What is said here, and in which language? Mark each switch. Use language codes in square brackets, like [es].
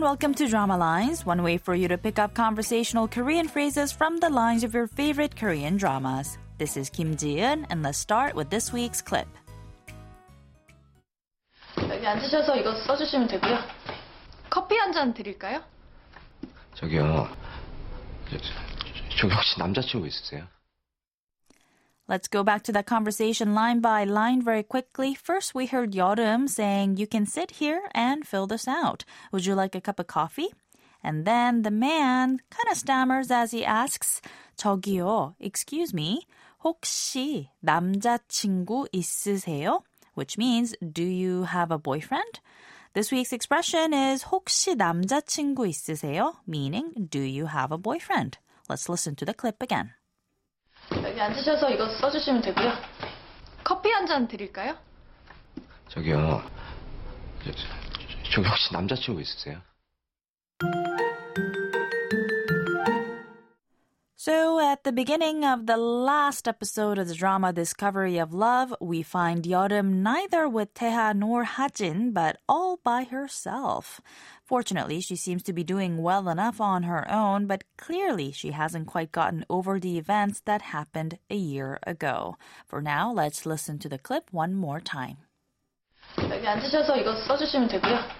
[en] Welcome to Drama Lines, one way for you to pick up conversational Korean phrases from the lines of your favorite Korean dramas. This is Kim Ji-eun, and let's start with this week's clip. [ko] 여기 앉으셔서 이거 써주시면 되고요. 커피 한 잔 드릴까요? 저기요. 저기 혹시 남자친구 있으세요? [en] Let's go back to the conversation line by line very quickly. First, we heard 여름 saying, you can sit here and fill this out. Would you like a cup of coffee? And then the man kind of stammers as he asks, [ko] 저기요, [en] excuse me, [ko] 혹시 남자친구 있으세요? [en] Which means, do you have a boyfriend? This week's expression is [ko] 혹시 남자친구 있으세요? [en] Meaning, do you have a boyfriend? Let's listen to the clip again. [ko] 여기 앉으셔서 이거 써주시면 되고요. 커피 한 잔 드릴까요? 저기요. 저기 혹시 남자친구 있으세요? [en] So at the beginning of the last episode of the drama Discovery of Love, we find Yeoreum neither with Taeha nor Hajin, but all by herself. Fortunately, she seems to be doing well enough on her own, but clearly she hasn't quite gotten over the events that happened a year ago. For now, let's listen to the clip one more time. [ko] 여기 앉으셔서 이거 써주시면 되고요.